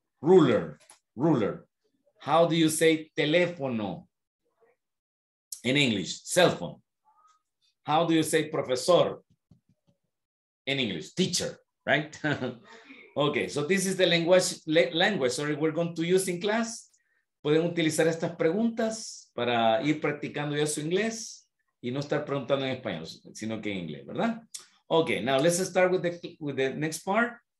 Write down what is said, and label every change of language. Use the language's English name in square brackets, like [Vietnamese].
[English] Ruler, ruler. How do you say teléfono in English? Cell phone. How do you say profesor in English? Teacher, right? Okay, so this is the language we're going to use in class. [Spanish] Pueden utilizar estas preguntas para ir practicando ya su inglés y no estar preguntando en español, sino que en inglés, ¿verdad? [English] Okay, now let's start with the next part.